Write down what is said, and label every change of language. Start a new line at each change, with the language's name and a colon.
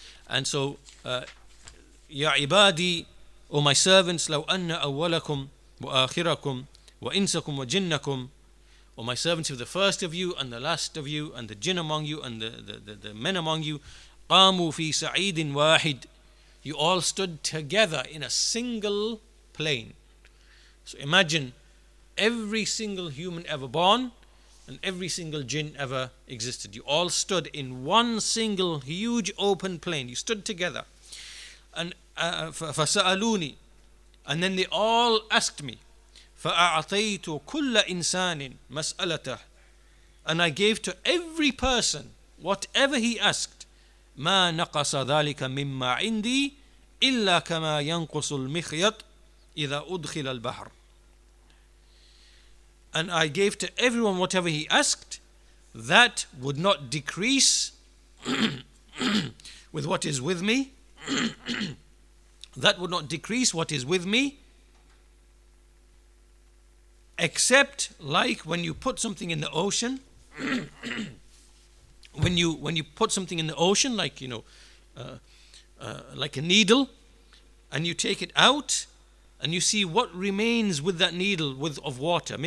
English: And so,
Arabic: Ya ibadi,
English: O my servants,
Arabic: لو أن أولكم وآخركم وإنسكم وجنكم,
English: O my servants, if the first of you and the last of you and the jinn among you and the men among you,
Arabic: قاموا في سعيد واحد,
English: you all stood together in a single plane. So imagine every single human ever born and every single jinn ever existed. You all stood in one single huge open plane. You stood together.
Arabic: And فسألوني,
English: and then they all asked me,
Arabic: فأعطيت كل إنسان مسألته,
English: and I gave to every person whatever he asked,
Arabic: ما نقص ذلك مما عندي إلا كما ينقص المخيط إذا أدخل البحر.
English: And I gave to everyone whatever he asked, that would not decrease with what is with me. That would not decrease what is with me, except like when you put something in the ocean, when you put something in the ocean, like, you know, like a needle, and you take it out, and you see what remains with that needle with of water.